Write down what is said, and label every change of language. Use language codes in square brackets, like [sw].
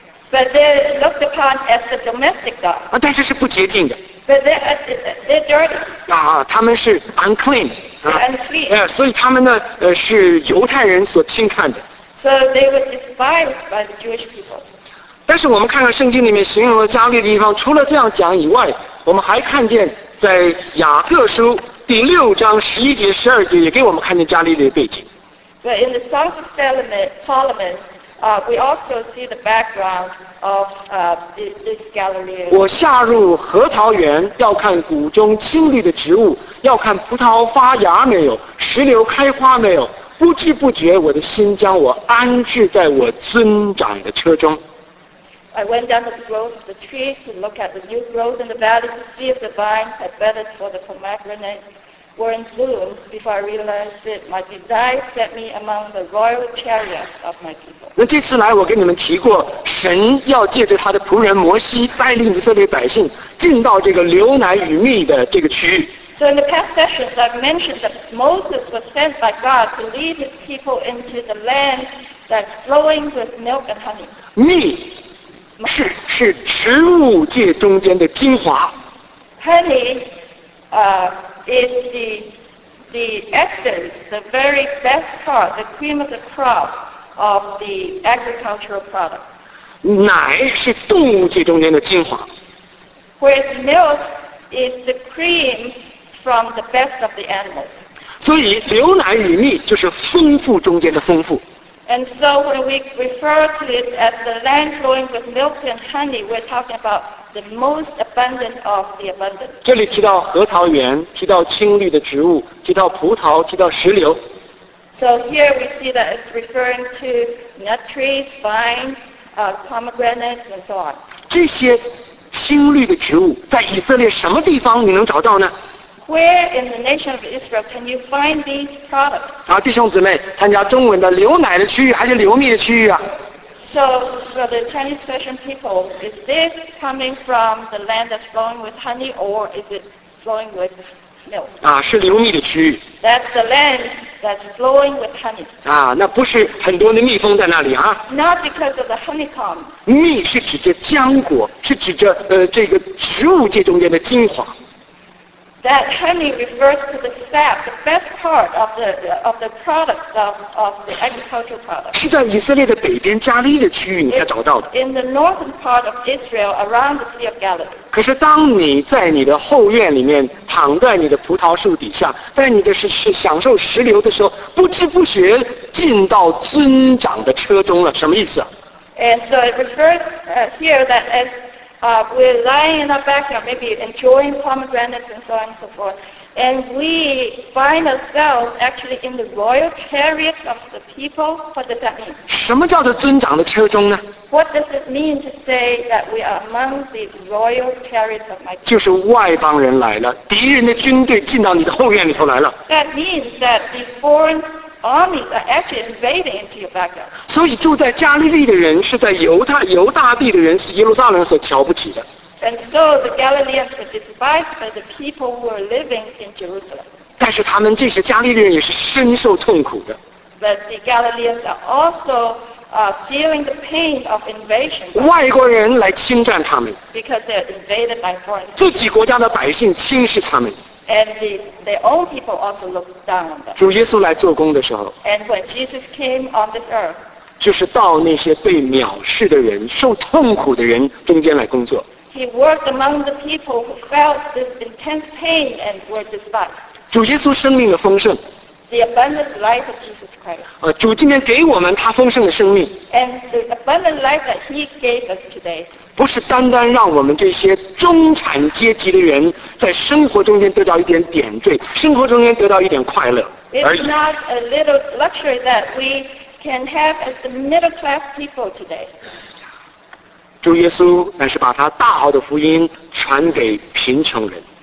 [en] But they're looked upon as the domestic dogs. [zh] 啊，但是是不洁净的。 [en] But they're dirty. [zh] 啊，他们是 unclean. [en] Unclean. [zh] 所以他们呢，是犹太人所轻看的。 [en] So they were despised by the Jewish people. [zh] 但是我们看看圣经里面形容的加利利地方，除了这样讲以外，我们还看见在雅各书第六章十一节、十二节也给我们看见加利利的背景。 [en] But in the Song of Solomon. We also see the background of this Galilee. [zh] 我下入核桃园，要看谷中青绿的植物，要看葡萄发芽没有，石榴开花没有。不知不觉，我的心将我安置在我尊长的车中。 [en] I went down to the grove of the trees to look at the new growth in the valley to see if the vine had buds for the pomegranates were in bloom before I realized it. My desire set me among the royal chariots of my people. [zh] 那这次来我跟你们提过，神要借着他的仆人摩西带领以色列百姓进到这个流奶与蜜的这个区域。 [en] So in the past sessions I've mentioned that Moses was sent by God to lead his people into the land that's flowing with milk and honey. [zh] 蜜是植物界中间的精华。 [en] Penny is the essence, the very best part, the cream of the crop of the agricultural product. [zh] 奶是动物界中间的精华。 [en] Whereas milk is the cream from the best of the animals. [zh] 所以牛奶与蜜就是丰富中间的丰富。 [en] And so when we refer to it as the land flowing with milk and honey, we're talking about the most abundant of the abundant. [zh] 这里提到核桃园，提到青绿的植物，提到葡萄，提到石榴。 [en] So here we see that it's referring to nut trees, vines, pomegranates, and so on. [zh] 这些青绿的植物在以色列什么地方你能找到呢？ [en] Where in the nation of Israel can you find these products? [zh] 啊，弟兄姊妹，参加中文的牛奶的区域还是牛蜜的区域啊 [en] ？So for the Chinese version people, is this coming from the land that's flowing with honey, or is it flowing with milk? [zh] 啊，是牛蜜的区域。 [en] That's the land that's flowing with honey. [zh] 啊，那不是很多的蜜蜂在那里啊 [en] ？Not because of the honeycomb. [zh] 蜜是指着浆果，是指着这个植物界中间的精华。 [en] That honey refers to the sap, the best part of the product of the agricultural product. [zh] 是在以色列的北边加利的区域你才找到的。 [en] In the northern part of Israel, around the Sea of Galilee. [zh] 可是当你在你的后院里面躺在你的葡萄树底下，在你的是享受石榴的时候，不知不觉进到尊长的车中了，什么意思 [en] ？And so it refers here that as we're lying in our backyard, maybe enjoying pomegranates and so on and so forth, and we find ourselves actually in the royal chariot of the people. What does that mean? [zh] 什么叫做尊长的车中呢 [en] ？What does it mean to say that we are among the royal chariots of my people? [zh] 就是外邦人来了，敌人的军队进到你的后院里头来了。 [en] That means that the foreign armies are actually invading into your backyard. [zh] 所以住在加利利的人是在犹大地的人是耶路撒冷所瞧不起的。 [en] And so the Galileans were despised by the people who were living in Jerusalem. [zh] 但是他们这些加利利人也是深受痛苦的。 [en] But the Galileans are also feeling the pain of invasion. [zh] 外国人来侵占他们。 [en] Because they're invaded by foreign people. [zh] 自己国家的百姓轻视他们。 [en] And their own people also looked down on them. [zh] 主耶稣来做工的时候 [en] ，And when Jesus came on this earth, [zh] 就是到那些被藐视的人、受痛苦的人中间来工作。 [en] He worked among the people who felt this intense pain and were despised. [zh] 主耶稣生命的丰盛 [en] ，The abundant life of Jesus Christ. [zh] 主今天给我们他丰盛的生命 [en] ，And the abundant life that He gave us today. [zh] 不是单单让我们这些中产阶级的人在生活中间得到一点点缀，生活中间得到一点快乐而已。 [en] It's not a little luxury that we can have as the middle class people today. [zh] 主耶稣乃是把他大好的福音传给贫穷人。